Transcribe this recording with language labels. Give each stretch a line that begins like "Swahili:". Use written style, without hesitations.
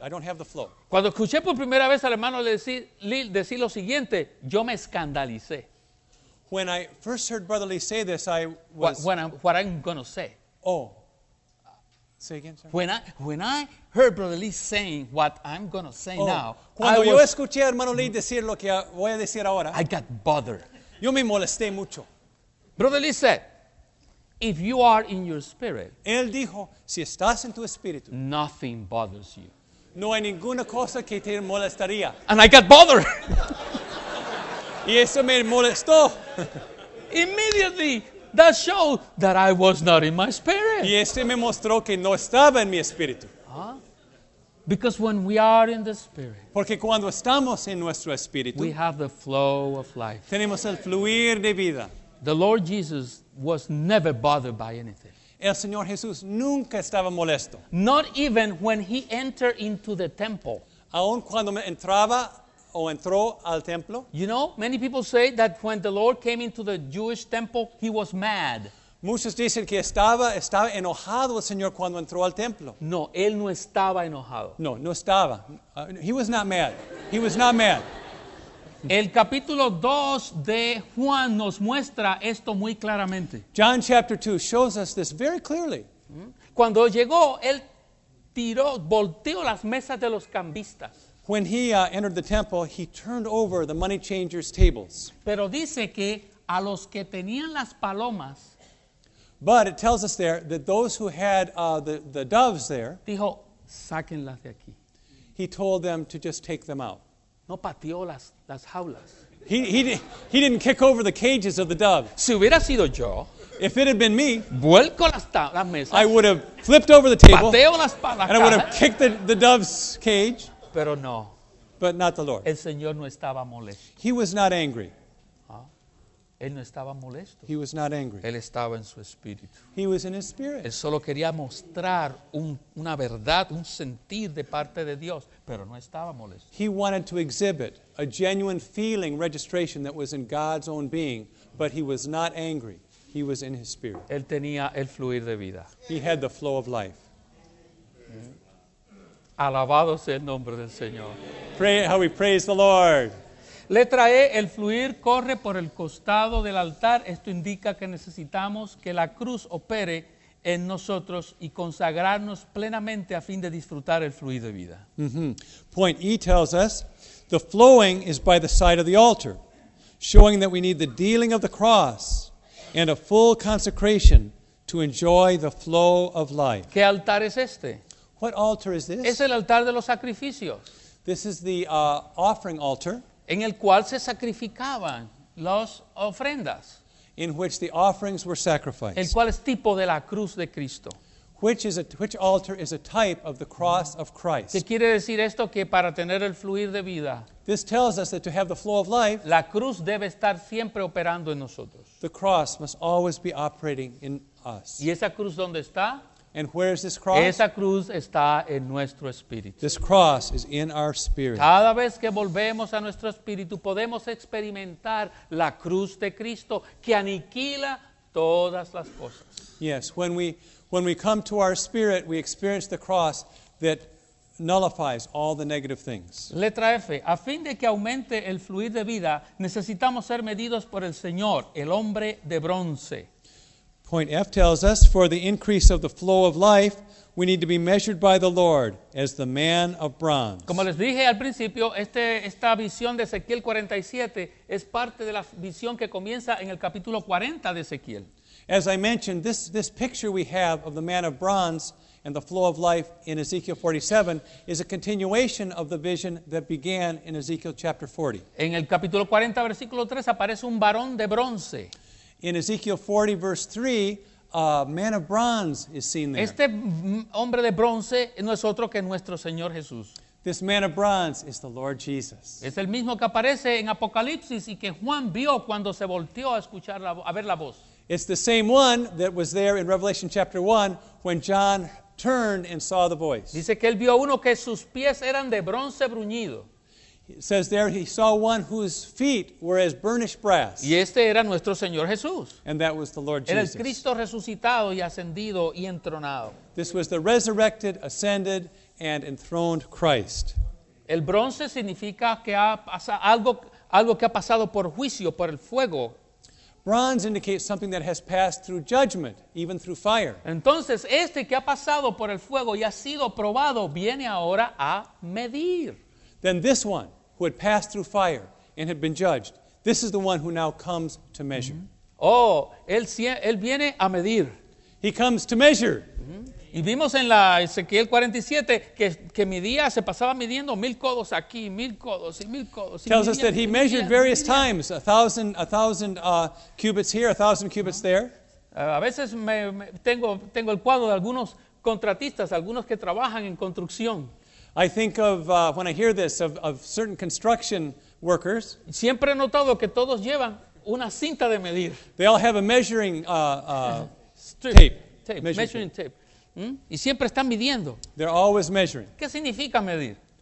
English: I don't have the flow.
Spanish: Cuando escuché por primera vez al hermano decir lo siguiente, yo me escandalicé.
English: When I first heard Brother Lee say this, I was... What I'm going to say. Oh. Say again, sir. When I heard Brother Lee saying what I'm going to say now...
Spanish: Cuando
English: I
Spanish: yo escuché al hermano Lee decir lo que voy a decir ahora...
English: I got bothered.
Spanish: Yo me molesté mucho.
English: Brother Lee said... If you are in your spirit,
Spanish: él dijo, si estás en tu espíritu,
English: nothing bothers you.
Spanish: No hay ninguna cosa que te molestaría.
English: And I got bothered.
Spanish: Y eso me molestó.
English: Immediately, that showed that I was not in my spirit.
Spanish: Y eso me mostró que no estaba en mi espíritu.
English: Because when we are in the spirit,
Spanish: porque cuando estamos en nuestro espíritu,
English: we have the flow of life.
Spanish: Tenemos el fluir de vida.
English: The Lord Jesus was never bothered by anything.
Spanish: El Señor Jesús nunca estaba molesto.
English: Not even when he entered into the temple.
Spanish: Aun cuando entraba o entró al templo.
English: You know, many people say that when the Lord came into the Jewish temple, he was mad.
Spanish: Muchos dicen que estaba enojado el Señor cuando entró al templo. No, él no estaba enojado. No, no estaba.
English: He was not mad. He was not mad.
Spanish: El capítulo 2 de Juan nos muestra esto muy claramente.
English: John chapter 2 shows us this very clearly.
Spanish: Cuando llegó, él tiró, volteó las mesas de los cambistas.
English: When he entered the temple, he turned over the money changers' tables.
Spanish: Pero dice que a los que tenían las palomas.
English: But it tells us there that those who had the doves there.
Spanish: Dijo, sáquenlas de aquí.
English: He told them to just take them out.
Spanish: No pateó las jaulas.
English: He didn't kick over the cages of the dove.
Spanish: Si hubiera sido yo,
English: if it had been me,
Spanish: vuelco las mesas,
English: I would have flipped over the table.
Spanish: Pateo las palancas,
English: and I would have kicked the dove's cage.
Spanish: Pero no.
English: But not the Lord.
Spanish: El Señor no estaba molesto.
English: He was not angry.
Spanish: Él no estaba molesto.
English: He was not angry.
Spanish: Él estaba en su espíritu.
English: He was in his spirit.
Spanish: Él solo quería mostrar una verdad, un sentir de parte de Dios, pero no estaba molesto.
English: He wanted to exhibit a genuine feeling registration that was in God's own being, but he was not angry. He was in his spirit.
Spanish: Él tenía el fluir de vida.
English: He had the flow of life.
Spanish: Alabado sea el nombre del Señor.
English: Pray how we praise the Lord.
Spanish: Letra E, el fluir corre por el costado del altar. Esto indica que necesitamos que la cruz opere en nosotros y consagrarnos plenamente a fin de disfrutar el fluir de vida. Mm-hmm.
English: Point E tells us, the flowing is by the side of the altar, showing that we need the dealing of the cross and a full consecration to enjoy the flow of life.
Spanish: ¿Qué altar es este?
English: What altar is this?
Spanish: Es el altar de los sacrificios.
English: This is the offering altar.
Spanish: En el cual se sacrificaban las ofrendas.
English: In which the offerings were sacrificed.
Spanish: El cual es tipo de la cruz de Cristo.
English: Which altar is a type of the cross of Christ.
Spanish: ¿Qué quiere decir esto? Que para tener el fluir de vida.
English: This tells us that to have the flow of life.
Spanish: La cruz debe estar siempre operando en nosotros.
English: The cross must always be operating in us.
Spanish: ¿Y esa cruz dónde está?
English: And where is this cross?
Spanish: Esa cruz está en nuestro espíritu.
English: This cross is in our spirit.
Spanish: Cada vez que volvemos a nuestro espíritu, podemos experimentar la cruz de Cristo que aniquila todas las cosas.
English: Yes, when we come to our spirit, we experience the cross that nullifies all the negative things.
Spanish: Letra F. A fin de que aumente el fluir de vida, necesitamos ser medidos por el Señor, el hombre de bronce.
English: Point F tells us, for the increase of the flow of life, we need to be measured by the Lord as the man of bronze.
Spanish: Como les dije al principio, esta visión de Ezequiel 47 es parte de la visión que comienza en el capítulo 40 de Ezequiel.
English: As I mentioned, this picture we have of the man of bronze and the flow of life in Ezekiel 47 is a continuation of the vision that began in Ezekiel chapter 40.
Spanish: En el capítulo 40, versículo 3, aparece un varón de bronce.
English: In Ezekiel 40, verse 3, a man of bronze is seen there.
Spanish: Este hombre de bronce no es otro que nuestro Señor Jesús.
English: This man of bronze is the Lord Jesus.
Spanish: Es el mismo que aparece en Apocalipsis y que Juan vio cuando se volteó a ver la voz.
English: It's the same one that was there in Revelation chapter 1 when John turned and saw the voice.
Spanish: Dice que él vio uno que sus pies eran de bronce bruñido.
English: It says there he saw one whose feet were as burnished brass.
Spanish: Y este era nuestro Señor Jesús.
English: And that was the Lord Jesus.
Spanish: Era el Cristo resucitado y ascendido y entronado.
English: This was the resurrected, ascended, and enthroned Christ.
Spanish: El bronce significa que ha pasado algo que ha pasado por juicio, por el fuego.
English: Bronze indicates something that has passed through judgment, even through fire.
Spanish: Entonces, este que ha pasado por el fuego y ha sido probado viene ahora a medir.
English: Then this one who had passed through fire and had been judged, this is the one who now comes to measure. Mm-hmm.
Spanish: Oh, él viene a medir.
English: He comes to measure.
Spanish: Mm-hmm. Y vimos en la Ezequiel 47 que medía, se pasaba midiendo mil codos aquí, mil codos y mil codos.
English: Tells us that he measured various times, a thousand cubits here, a thousand cubits there.
Spanish: A veces tengo el cuadro de algunos contratistas, algunos que trabajan en construcción.
English: I think of, when I hear this, of certain construction workers.
Spanish: Siempre he notado que todos llevan una cinta de medir.
English: They all have a measuring strip, tape. Measuring tape.
Spanish: Y siempre están midiendo.
English: They're always measuring.
Spanish: ¿Qué significa medir?